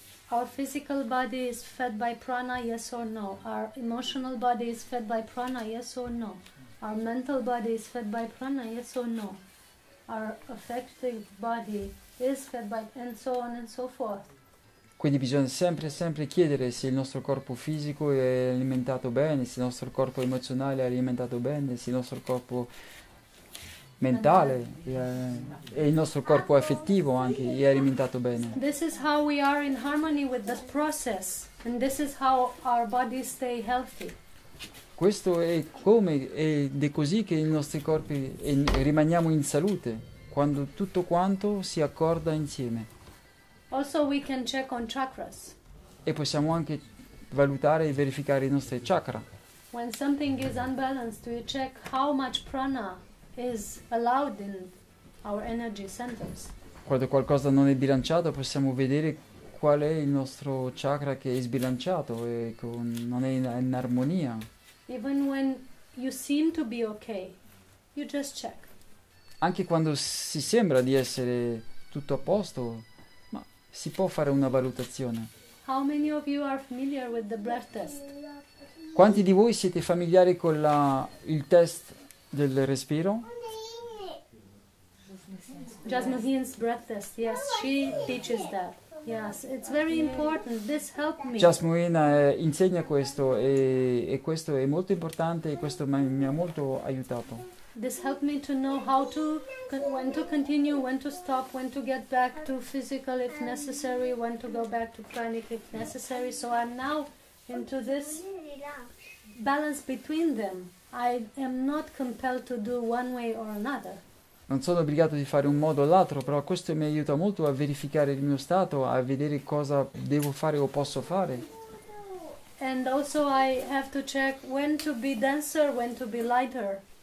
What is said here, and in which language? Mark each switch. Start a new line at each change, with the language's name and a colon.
English: Our physical body is fed by prana, yes or no? Our emotional body is fed by prana, yes or no? Our mental body is fed by prana, yes or no? Our affective body is fed by and so on and so forth.
Italian: Quindi bisogna sempre, sempre chiedere se il nostro corpo fisico è alimentato bene, se il nostro corpo emozionale è alimentato bene, se il nostro corpo mentale e il nostro corpo affettivo anche è alimentato bene.
English: This is how we are in harmony with this process, and this is how our bodies stay healthy.
Italian: Questo è come, ed è così che i nostri corpi rimaniamo in salute, quando tutto quanto si accorda insieme.
English: Also, we can check on chakras.
Italian: E possiamo anche valutare e verificare i nostri chakra.
English: When something is unbalanced, we check how much prana is allowed in our energy centers.
Italian: Quando qualcosa non è bilanciato, possiamo vedere qual è il nostro chakra che è sbilanciato e non è in armonia.
English: Even when you seem to be okay, you just check.
Italian: Anche quando si sembra di essere tutto a posto. Si può fare una valutazione.
English: How many of you are familiar with the breath test?
Italian: Quanti di voi siete familiari con il test del respiro?
English: Jasmine's breath test, yes, she teaches that. Yes, it's very important. This helped me.
Italian: Jasmine insegna questo e questo è molto importante e questo mi ha molto aiutato.
English: This helped me to know how to, when to continue, when to stop, when to get back to physical if necessary, when to go back to pranic if necessary. So I'm now into this balance between them. I am not compelled to do one way or another.
Italian: Non sono obbligato di fare un modo o l'altro, però questo mi aiuta molto a verificare il mio stato, a vedere cosa devo fare o posso fare.
English: And also I have to check when to be denser, when to be lighter.